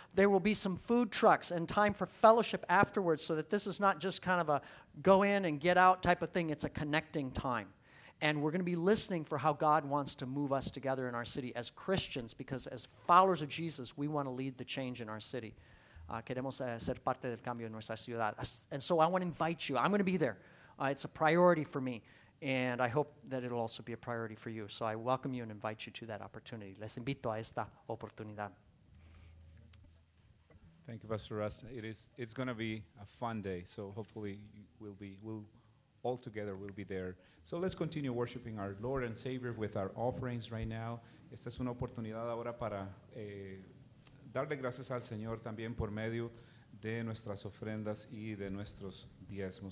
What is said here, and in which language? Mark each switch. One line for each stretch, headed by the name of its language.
English: There will be some food trucks and time for fellowship afterwards so that this is not just kind of a go in and get out type of thing. It's a connecting time. And we're going to be listening for how God wants to move us together in our city as Christians, because as followers of Jesus, we want to lead the change in our city.
Spanish: Queremos ser parte del cambio en nuestra ciudad.
English: And so I want to invite you. I'm going to be there. It's a priority for me, and I hope that it'll also be a priority for you. So I welcome you and invite you to that opportunity.
Spanish: Les invito a esta oportunidad.
English: Thank you, Pastor Russ. It's going to be a fun day, so hopefully we'll all together we'll be there. So let's continue worshiping our Lord and Savior with our offerings right now.
Spanish: Esta es una oportunidad ahora para darle gracias al Señor también por medio de nuestras ofrendas y de nuestros diezmos.